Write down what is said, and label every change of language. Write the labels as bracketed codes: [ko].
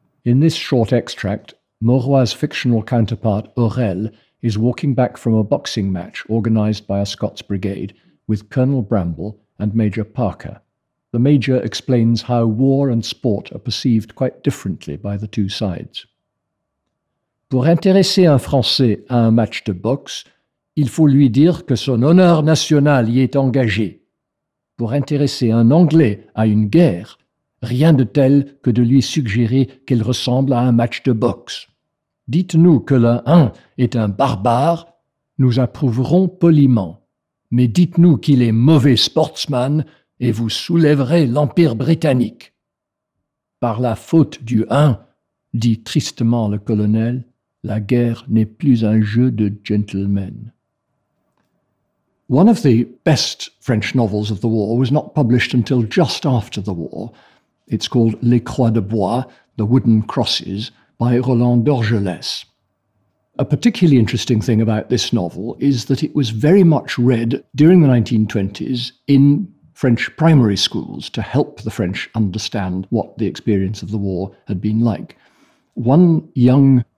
[en] In this short extract, Mauroy's fictional counterpart, Aurel, is walking back from a boxing match organised by a Scots brigade with Colonel Bramble and Major Parker. The Major explains how war and sport are perceived quite differently by the two sides. [fr] Pour intéresser un Français à un match de boxe, il faut lui dire que son honneur national y est engagé. Pour intéresser un Anglais à une guerre, rien de tel que de lui suggérer qu'elle ressemble à un match de boxe. Dites-nous que le 1 est un barbare, nous approuverons poliment. Mais dites-nous qu'il est mauvais sportsman et vous soulèverez l'Empire britannique. Par la faute du 1, dit tristement le colonel, la guerre n'est plus un jeu de gentlemen. [en] One of the best French novels of the war was not published until just after the war. It's called Les Croix de Bois, The Wooden Crosses, by Roland Dorgelès. A particularly interesting thing about this novel is that it was very much read during the 1920s in French primary schools to help the French understand what the experience of the war had been like. One young